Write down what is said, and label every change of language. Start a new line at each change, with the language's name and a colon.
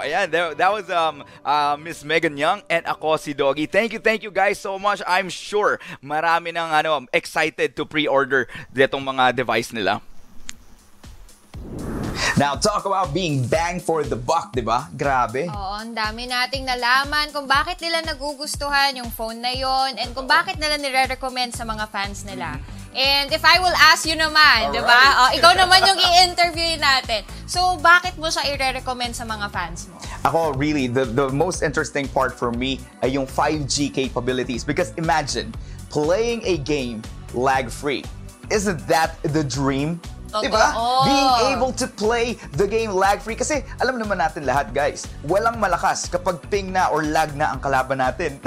English: Yeah, that was Miss Megan Yang and
Filipino: ako si Doggy.
English: Thank you guys so much. I'm sure
Filipino: marami nang
English: excited to pre-order
Filipino: itong mga
English: device nila. Now, talk about being bang for the buck, di ba?
Filipino: Grabe. Oo, ang dami nating nalaman kung bakit nila nagugustuhan yung phone na yon and kung bakit nila nire-recommend sa mga fans nila.
English: And if I will ask you
Filipino: naman, di ba?
English: Right.
Filipino: Ikaw naman yung i-interview natin. So, bakit mo siya i-recommend sa mga fans mo?
English: Ako, really, the most interesting part for me
Filipino: ay yung
English: 5G capabilities. Because imagine, playing a game lag-free. Isn't that the dream?
Filipino: Diba? Oh.
English: Being able to play the game lag-free.
Filipino: Kasi alam naman natin lahat, guys, walang malakas kapag ping na or lag na ang kalaban natin.